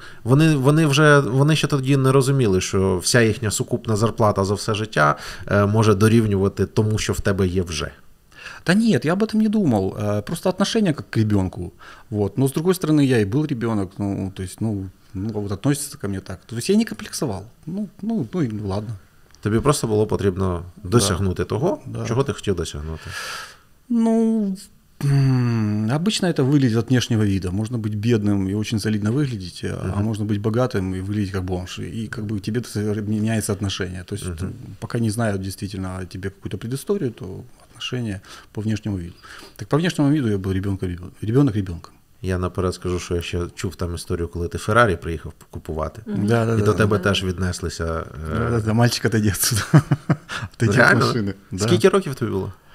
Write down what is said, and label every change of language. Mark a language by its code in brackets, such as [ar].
[uk] Вони ще тоді не розуміли, що вся їхня сукупна зарплата за все життя може дорівнювати тому, що в тебе є вже. [ru] Да нет, я об этом не думал. Просто отношение как к ребенку. Вот. Но с другой стороны, я и был ребенок, ну, то есть, ну вот относится ко мне так. То есть я не комплексовал. Ну и ладно. [uk] Тобі просто було потрібно досягнути, да, того, да, чого ти хотів досягнути. [ru] Ну, обычно это выглядит от внешнего вида. Можно быть бедным и очень солидно выглядеть, а можно быть богатым и выглядеть как бомж. И как бы тебе меняется отношение. То есть, пока не знают действительно о тебе какую-то предысторию, то. Отношения по внешнему виду. Так по внешнему виду я был ребенок ребенком. [uk] Я наперед скажу, що я ще чув там історію, коли ти Феррарі приїхав купувати. Да, да, і да, до тебе, да, теж віднеслися. [ru] Да, да, да. Мальчик, отойди отсюда. Отойди от машини. Да. [uk] Скільки років тобі було?